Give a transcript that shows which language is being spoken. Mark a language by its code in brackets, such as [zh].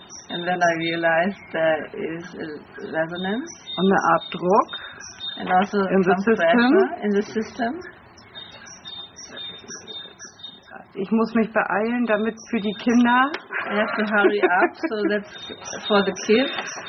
[en] And then I realized there is a resonance. [de] Und eine Art Druck. [en] And also in some pressure in the system. [de] Ich muss mich beeilen, damit für die Kinder. [en] I have to hurry up, so that's for the kids.